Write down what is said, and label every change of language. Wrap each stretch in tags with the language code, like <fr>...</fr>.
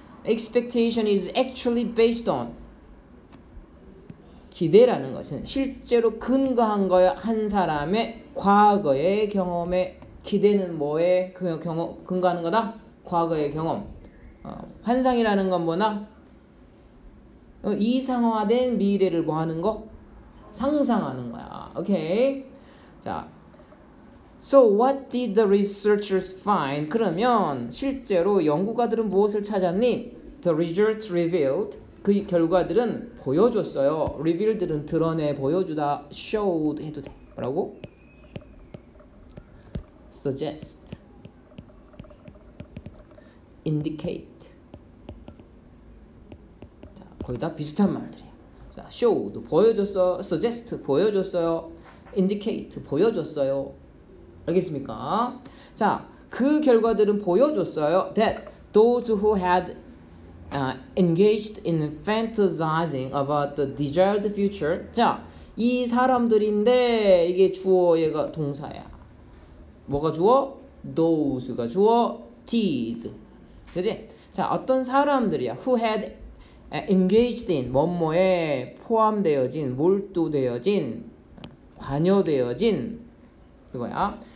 <en>Expectation is actually based on,</en> <ko>기대라는 것은 실제로 근거한 거야. 한 사람의 과거의 경험에. 기대는 뭐에 근거하는 거다? 과거의 경험. 환상이라는 건 뭐나? 이상화된 미래를 뭐 하는 거? 상상하는 거야. 오케이.</ko> <en>자, so what did the researchers find?</en> <ko>그러면 실제로 연구가들은 무엇을 찾았니?</ko> <en>The results revealed,</en> <ko>그 결과들은 보여줬어요. Revealed는 드러내, 보여주다, showed 해도 돼. 뭐라고?</ko> <en>Suggest, indicate.</en> <ko>자, 거의 다 비슷한 말들이야. 자, showed 보여줬어, suggest 보여줬어요, indicate 보여줬어요. 알겠습니까? 자, 그 결과들은 보여줬어요.</ko> <en>That those who had engaged in fantasizing about the desired future.</en> <ko>자, 이 사람들인데 이게 주어 얘가 동사야. 뭐가 주어? Those가 주어. Did. 그지? 자, 어떤 사람들이야?</ko> <en>Who had engaged in</en> <ko>뭐뭐에 포함되어진, 몰두되어진, 관여되어진 그거야.</ko>